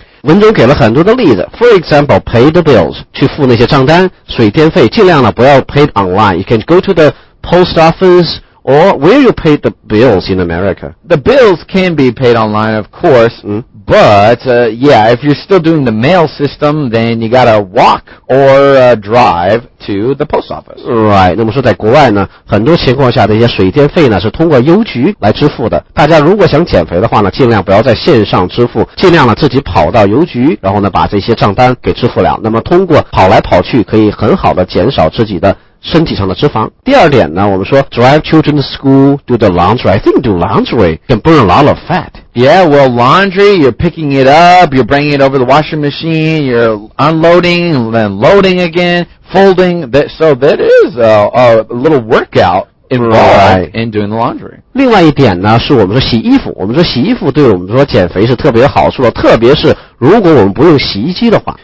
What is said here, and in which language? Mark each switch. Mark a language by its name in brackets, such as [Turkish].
[Chinese] 文中给了很多的例子 [English] For example, pay the bills, [Chinese] 去付那些账单水电费尽量呢不要 [English] pay online. You can go to the post office or where you pay the bills in America. The bills can be paid online, of course, but yeah, if you're still doing the mail system, then you gotta walk or drive to the post office. [Chinese] Right, 那么说在国外呢很多情况下的一些水电费呢是通过邮局来支付的。大家如果想减肥的话呢尽量不要在线上支付尽量呢自己跑到邮局然后呢把这些账单给支付了。那么通过跑来跑去可以很好的减少自己的身体上的脂肪。第二点呢我们说 [English] drive children to school, do the laundry. I think do laundry can burn a lot of fat. Yeah, well laundry, you're picking it up, you're bringing it over the washing machine, you're unloading and then loading again, folding, that, so that is a little workout involved in doing the laundry. [Chinese] 另外一点呢，是我们说洗衣服。我们说洗衣服对我们说减肥是特别有好处的，特别是如果我们不用洗衣机的话。